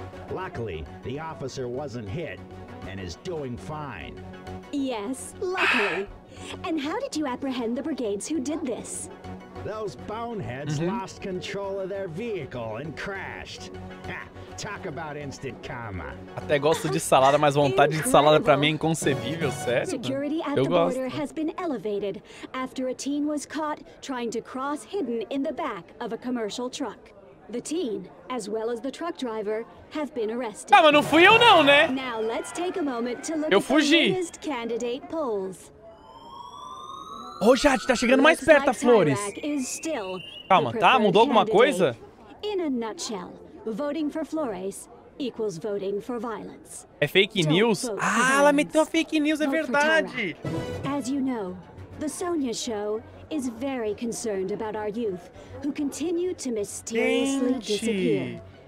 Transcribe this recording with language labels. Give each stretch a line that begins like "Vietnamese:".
English: Luckily, the officer wasn't hit and is doing fine. Yes, luckily. And how did you apprehend the brigades who did this? Those boneheads lost control of their vehicle and crashed. Talk about instant karma.
Portuguese: Até gosto de salada, mas vontade de salada pra mim é inconcebível, sério.
English: Security at the border has been elevated after a teen was caught trying to cross hidden in the back of a commercial truck. The teen, as well as the truck driver, have been arrested.
Portuguese: Ah, mas não fui eu não, né?
English: Now let's take a moment to look
Portuguese: eu fugi.
English: At candidate polls.
Portuguese: Ô, chat, tá chegando mais perto,
English: like
Portuguese: Flores. Calma, tá? Mudou alguma coisa?
English: In a nutshell, voting for Flores equals voting for violence.
Portuguese: É fake news? Ah, ela meteu a fake news, é verdade.
English: As you know, the Sonia Show is very concerned about our youth who continue to mysteriously disappear.